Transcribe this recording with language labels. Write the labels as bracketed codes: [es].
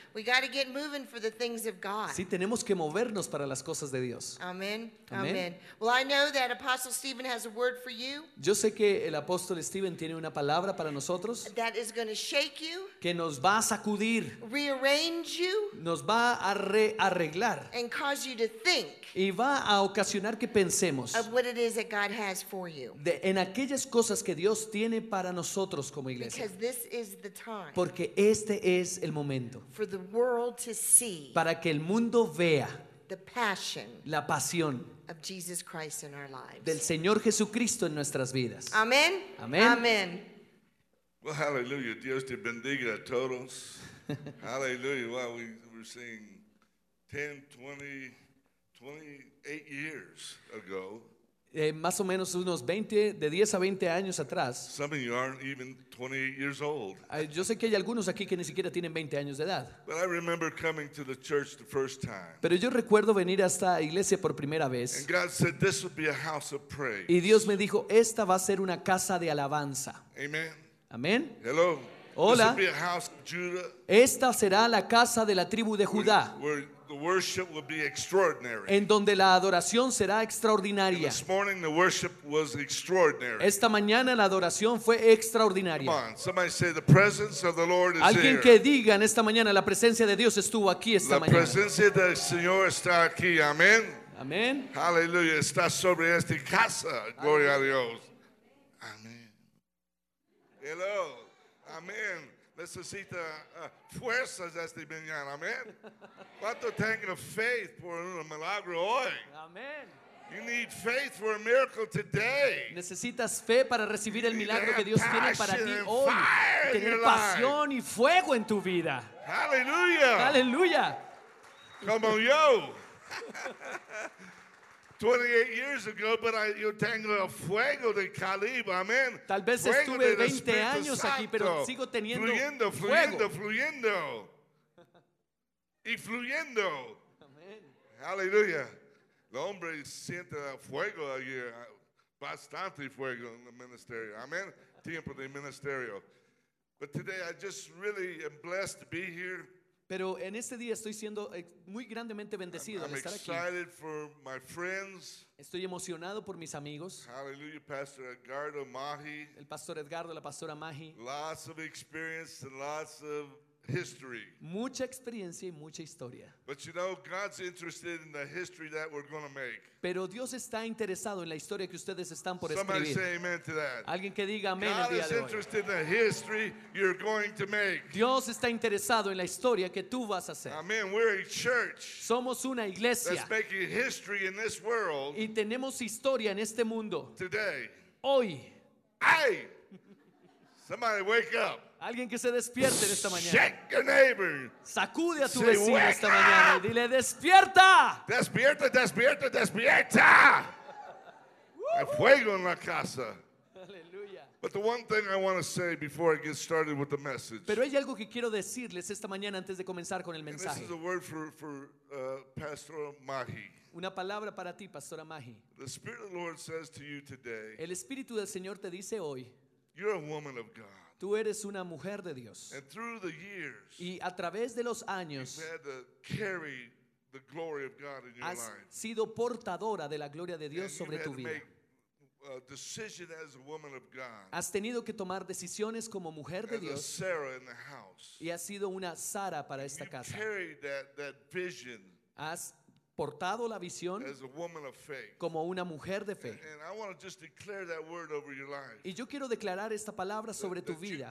[en] We got to get moving for the things of God. [es] Sí, tenemos que movernos para las cosas de Dios. [en] Amen. Amen. Amen. Well, I know that Apostle Stephen has a word for you. [es] Yo sé que el apóstol Stephen tiene una palabra para nosotros. [en] That is going to shake you. [es] Que nos va a sacudir. [en] Rearrange you. [es] Nos va a rearreglar. [en] And cause you to think. [es] Y va a ocasionar que pensemos. [en] Of what it is that God has for you. [es] De, en aquellas cosas que Dios tiene para nosotros como iglesia. [en] Because this is the time. [es] Porque este es el momento. [en] For the world to see. [es] Para que el mundo vea. [en] The passion. [es] La pasión. [en] Of Jesus Christ in our lives. [es] Del Señor Jesucristo en nuestras vidas. Amén. Amén. Amén. Well, hallelujah. Dios te bendiga a todos. Hallelujah. [en] Wow, we're seeing 10, 20, 28 years ago. [es] Más o menos unos 20, de 10 a 20 años atrás. [en] Some of you aren't even 28 years old. [es] Yo sé que hay algunos aquí que ni siquiera tienen 20 años de edad. [en] But I remember coming to the church the first time. [es] Pero yo recuerdo venir a esta iglesia por primera vez. [en] And God said, this would be a house of praise. [es] Y Dios me dijo, esta va a ser una casa de alabanza. [en] Amen. [es] Amén. [en] Hello. [es] Hola. [en] This will be a house of Judah. [es] Esta será la casa de la tribu de Judá. [en] The worship will be extraordinary. [es] En donde la adoración será extraordinaria. [en] And this morning the worship was extraordinary. [es] Esta mañana la adoración fue extraordinaria. [en] Come on, somebody say the presence of the Lord is [es] Alguien [en] here. [es] Que diga en esta mañana la presencia de Dios estuvo aquí esta la mañana. La presencia del Señor está aquí. Amén. Amén. Aleluya. Está sobre esta casa. Gloria Amén. A Dios. Amén. Hello. Amén. Necesita fuerzas esta mañana. Amén. ¿Cuánto tengo faith por un milagro hoy? Amén. [en] You need faith for a miracle today. [es] Necesitas fe para recibir el milagro que Dios tiene para ti hoy. Tener pasión y fuego en tu vida. Aleluya. Aleluya. [en] Come on, yo. 28 years ago, but [es] yo tengo el fuego de calibre, amén. Tal vez fuego estuve 20 años aquí, pero sigo teniendo fluyendo, fuego. Fluyendo, fluyendo, fluyendo. Y fluyendo. Amén. Aleluya. El hombre siente el fuego allí, bastante fuego en el ministerio, amén. Tiempo de ministerio. [en] But today I just really am blessed to be here. [es] Pero en este día estoy siendo muy grandemente bendecido [en] I'm [es] de estar aquí. [en] For my friends. [es] Estoy emocionado por mis amigos. [en] Hallelujah, Pastor Edgardo Mahi. [es] El Pastor Edgardo, la Pastora Mahi. [en] Lots of experience and lots of history. [es] Mucha experiencia y mucha historia. [en] But you know, God's interested in the history that we're going to make. [es] Pero Dios está interesado en la historia que ustedes están por [en] Somebody [es] escribir. [en] Somebody say amen to that. [es] Alguien que diga amén [en] God [es] el día de [en] hoy. God is interested in the history you're going to make. [es] Dios está interesado en la historia que tú vas a hacer. [en] Amen. We're a church. [es] Somos una iglesia. [en] That's making history in this world. [es] Y tenemos historia en este mundo. [en] Today. [es] Hoy. [en] Hey. Somebody wake up. [es] Alguien que se despierte en esta mañana. [en] Shake your neighbor. [es] Sacude a tu [en] Say, [es] vecino [en] wake [es] esta [en] up. [es] Mañana. Dile, despierta. Despierta, despierta, despierta. El fuego en la casa. [en] But the one thing I want to say before I get started with the message. [es] Pero hay algo que quiero decirles esta mañana antes de comenzar con el mensaje. [en] This is a word for Pastor Mahi. [es] Una palabra para ti, Pastora Mahi. [en] The Spirit of the Lord says to you today. [es] El Espíritu del Señor te dice hoy. [en] You're a woman of God. [es] Tú eres una mujer de Dios. [en] And through the years. [es] Y a través de los años. [en] You've had to carry the glory of God in your [es] has [en] life. [es] Has sido portadora de la gloria de Dios [en] and [es] sobre tu vida. [en] A decision as a woman of God. [es] Has tenido que tomar decisiones como mujer de Dios. [en] As a Sarah in the house. [es] Y has sido una Sara para esta [en] You've [es] casa. [en] Carried that vision. [es] Has portado la visión [en] as a woman of faith. [es] Como una mujer de fe. [en] And I want to just declare that word over your life. [es] Y yo quiero declarar esta palabra sobre tu vida.